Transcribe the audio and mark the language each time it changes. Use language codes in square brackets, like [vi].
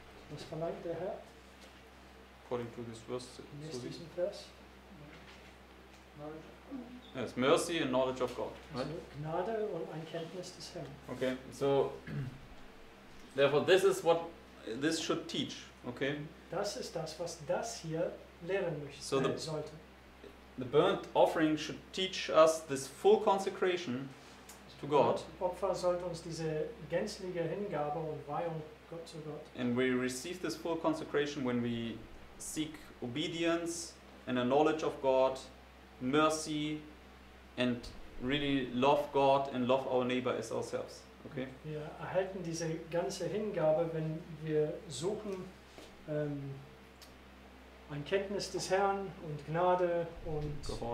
[de] Was verlangt der Herr? [en] According to this verse, Susie. [de] Diesen Vers? [en] Yes, mercy and knowledge of God. Right? [de] Also Gnade und Einkenntnis des Herrn. [en] Okay, so therefore this is what this should teach. Okay. [de] Das ist das, was das hier lehren möchte, so sollte. [en] The burnt offering should teach us this full consecration to God. [de] Das Opfer sollte uns diese gänzliche Hingabe und Weihung Gott zu Gott. [en] And we receive this full consecration when we seek obedience and a knowledge of God, mercy, and really love God and love our neighbor as ourselves. Okay. [de] Wir erhalten diese ganze Hingabe, wenn wir suchen ein Kenntnis des Herrn und Gnade und